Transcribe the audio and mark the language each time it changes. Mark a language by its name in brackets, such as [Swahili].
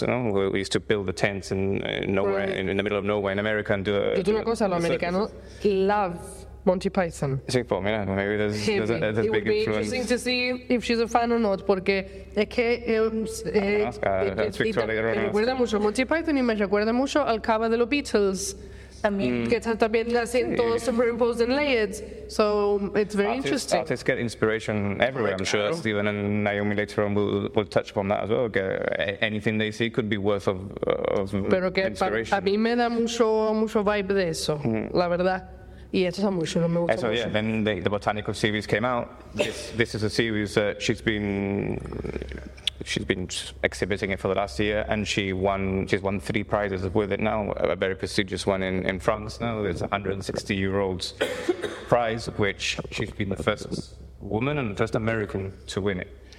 [English] You know, where we used to build the tents in the middle of nowhere in America and do. [Spanish] Yo tengo una cosa, los americanos love Monty Python. Sí, pues mira, [English] maybe there's a big influence. It would be influence. Interesting to see if she's a fan or not, [Spanish] porque es que recuerda mucho a Monty Python y me recuerda mucho al cava de los Beatles. Que también hacen todo [English] superimposed and layered. So it's very interesting. Artists get inspiration everywhere, I'm sure. Stephen and Naomi later on will touch upon that as well. Okay. Anything they see could be worth of [Spanish] pero que [English] inspiration. [Spanish] A mí me da mucho vibe de eso, la verdad. [English] Yeah, then the Botanical series came out. This is a series that she's been exhibiting it for the last year, and she's won three prizes with it now, a very prestigious one in France now. It's a 160-year-old prize, which she's been the first woman and the first American to win it.